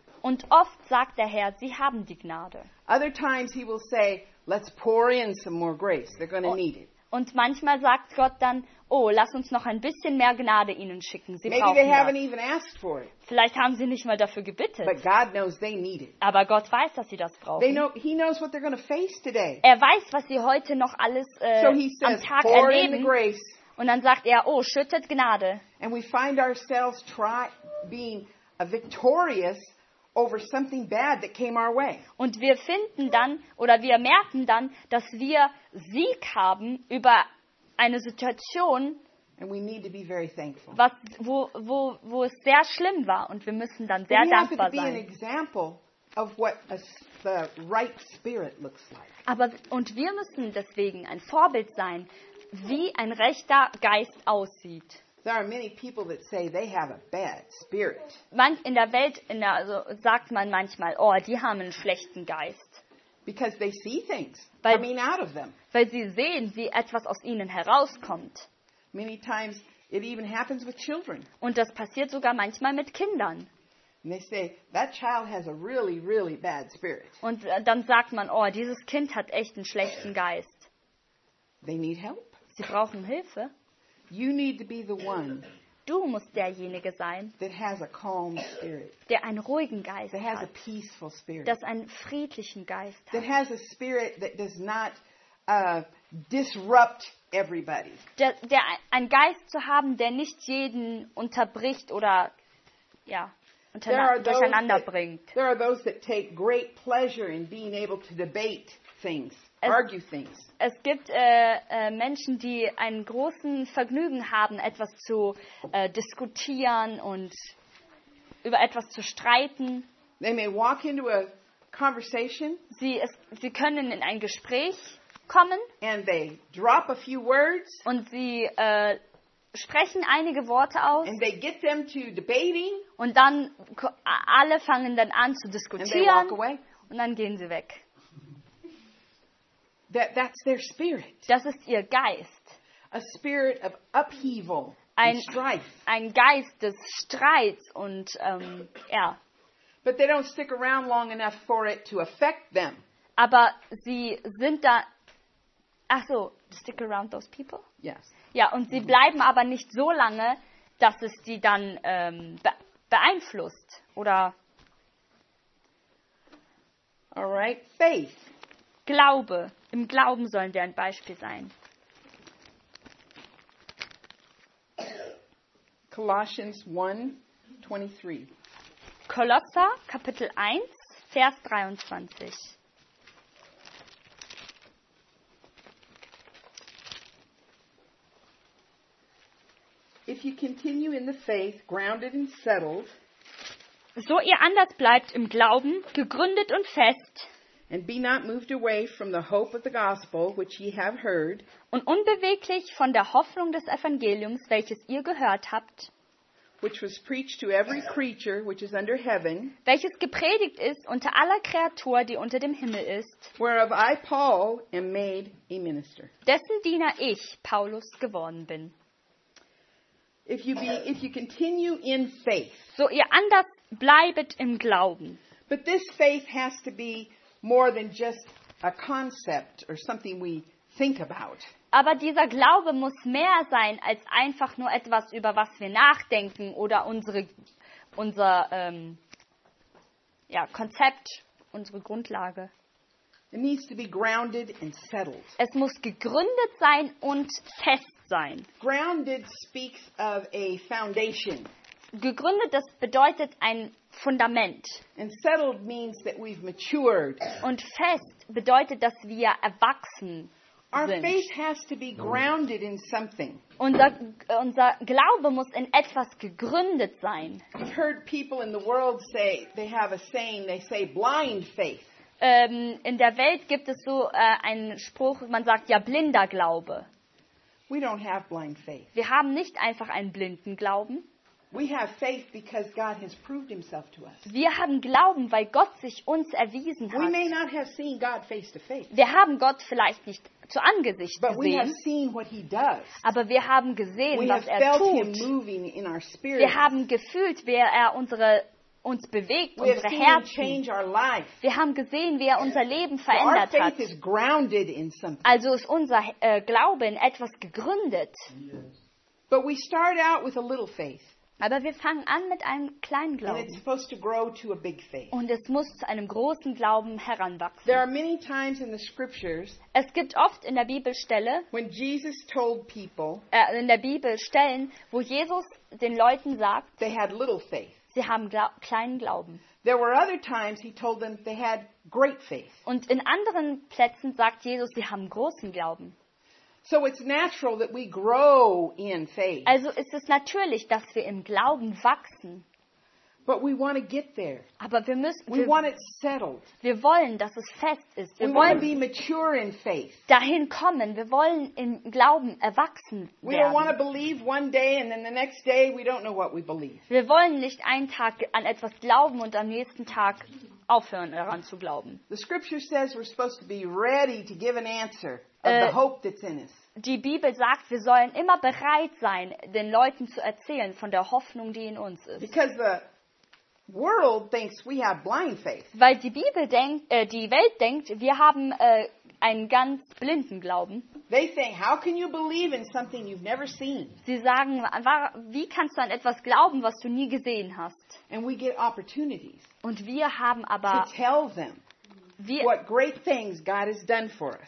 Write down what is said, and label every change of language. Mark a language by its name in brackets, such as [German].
[German] Und oft sagt der Herr, sie haben die Gnade. [English] Other times he will say, let's pour in some more grace. They're going to need it. [German] Und manchmal sagt Gott dann, oh, lass uns noch ein bisschen mehr Gnade ihnen schicken. Sie [English] Maybe [German] brauchen [English] they [German] das. [English] Haven't even asked for it. [German] Vielleicht haben sie nicht mal dafür gebetet. [English] But God knows they need it. [German] Aber Gott weiß, dass sie das brauchen. [English] He knows what they're gonna face today. [German] Er weiß, was sie heute noch alles so am [English] says, [German] Tag [English] pour [German] erleben. [English] In the grace. [German] Und dann sagt er, oh, schüttet Gnade. [English] And we find ourselves being a victorious over something bad that came our way. [German] Und wir finden dann oder wir merken dann, dass wir Sieg haben über eine Situation, [English] and we need to be very thankful. [German] Wo es sehr schlimm war und wir müssen dann sehr dankbar sein. [English] An example of what the right spirit looks like. [German] Aber und wir müssen deswegen ein Vorbild sein, wie ein rechter Geist aussieht. [English] There are many people that say they have a bad spirit. [German] Also sagt man manchmal, oh, die haben einen schlechten Geist. [English] Because they see things coming out of them. [German] Weil sie sehen, wie etwas aus ihnen herauskommt. [English] Many times it even happens with children. [German] Und das passiert sogar manchmal mit Kindern. [English] And they say that child has a really, really bad spirit. [German] Und dann sagt man, oh, dieses Kind hat echt einen schlechten Geist. [English] They need help. [German] Sie brauchen Hilfe. [English] You need to be the one. [German] Du musst derjenige sein. [English] That has a calm spirit. [German] Der einen ruhigen Geist hat. [English] That has a peaceful spirit. [German] Das einen friedlichen Geist hat. [English] That has a spirit that does not disrupt everybody. [German] Der einen Geist zu haben, der nicht jeden unterbricht oder ja, durcheinander bringt. [English] There are those that take great pleasure in being able to debate things. [German] Es gibt Menschen, die einen großen Vergnügen haben, etwas zu diskutieren und über etwas zu streiten. [English] They may walk into a conversation. [German] Sie können in ein Gespräch kommen. [English] And they drop a few words. [German] Und sie sprechen einige Worte aus. [English] And they get them to debating. [German] Und dann alle fangen dann an zu diskutieren. [English] And they walk away. [German] Und dann gehen sie weg. [English] That's their spirit. [German] Das ist ihr Geist. [English] A spirit of upheaval and strife. [German] Ein Geist des Streits und ja. [English] But they don't stick around long enough for it to affect them. [German] Aber sie sind da. Ach so, [English] stick around those people? Yes. [German] Ja, und sie bleiben aber nicht so lange, dass es die dann beeinflusst oder. [English] All right, faith. [German] Glaube. Im Glauben sollen wir ein Beispiel sein. [English] Colossians 1:23. [German] Kolosser Kapitel 1, Vers 23. [English] If you continue in the faith, grounded and settled, [German] so ihr anders bleibt im Glauben, gegründet und fest. [English] And be not moved away from the hope of the gospel which ye have heard. [German] Und unbeweglich von der Hoffnung des Evangeliums, welches ihr gehört habt. [English] Which was preached to every creature which is under heaven. [German] Welches gepredigt ist unter aller Kreatur, die unter dem Himmel ist. [English] Whereof I, Paul, am made a minister. [German] Dessen Diener ich, Paulus, geworden bin. [English] If you be, if you continue in faith. [German] So ihr anders bleibet im Glauben. [English] But this faith has to be more than just a concept or something we think about. [German] Aber dieser Glaube muss mehr sein als einfach nur etwas, über was wir nachdenken oder unser Konzept, unsere Grundlage. [English] It needs to be grounded and settled. [German] Es muss gegründet sein und fest sein. [English] Grounded speaks of a foundation. [German] Gegründet, das bedeutet ein Fundament. [English] And settled means that we've matured. [German] Und fest bedeutet, dass wir erwachsen sind. [English] Our faith has to be grounded in something. [German] Unser Glaube muss in etwas gegründet sein. [English] I've heard people in the world say, they have a saying, they say blind faith. [German] In der Welt gibt es so einen Spruch, man sagt ja blinder Glaube. [English] We don't have blind faith. [German] Wir haben nicht einfach einen blinden Glauben. [English] We have faith because God has proved himself to us. [German] Wir haben Glauben, weil Gott sich uns erwiesen hat. [English] We may not have seen God face to face. [German] Wir haben Gott vielleicht nicht zu Angesicht [English] But We have seen what he does. [German] Aber wir haben gesehen, [English] we [German] was [English] have [German] er [English] felt [German] tut. [English] Him moving in our spirit. [German] Wir haben gefühlt, wie er uns bewegt, [English] we [German] unsere Herzen. Wir haben gesehen, wie er unser Leben verändert so hat. [English] Is grounded in something. [German] Also ist unser Glaube in etwas gegründet. [English] Yes. But we start out with a little faith. [German] Aber wir fangen an mit einem kleinen Glauben. [English] And it's supposed to grow to a big faith. [German] Und es muss zu einem großen Glauben heranwachsen. [English] There are many times in the scriptures, [German] es gibt oft in der Bibel Stelle, [English] when Jesus told people, [German] in der Bibel Stellen, wo Jesus den Leuten sagt, [English] they had little faith. [German] Sie haben kleinen Glauben. [English] There were other times he told them they had great faith. [German] Und in anderen Plätzen sagt Jesus, sie haben großen Glauben. [English] So it's natural that we grow in faith. [German] Also ist es natürlich, dass wir im Glauben wachsen. [English] But we want to get there. [German] Aber wir müssen. [English] We want it settled. [German] Wir wollen, dass es fest ist. [English] We want to be mature in faith. [German] Dahin kommen. Wir wollen im Glauben erwachsen werden. [English] We don't want to believe one day and then the next day we don't know what we believe. [German] Wir wollen nicht einen Tag an etwas glauben und am nächsten Tag aufhören daran zu glauben. [English] The scripture says we're supposed to be ready to give an answer of the hope that's in us. [German] Die Bibel sagt, wir sollen immer bereit sein, den Leuten zu erzählen von der Hoffnung, die in uns ist. [English] Because the world thinks we have blind faith. [German] Weil die Bibel denkt, die Welt denkt, wir haben einen ganz blinden Glauben. [English] They think, how can you believe in something you've never seen? [German] Sie sagen, wie kannst du an etwas glauben, was du nie gesehen hast? [English] And we get opportunities. [German] Und wir haben aber [English] to tell them what great things God has done for us.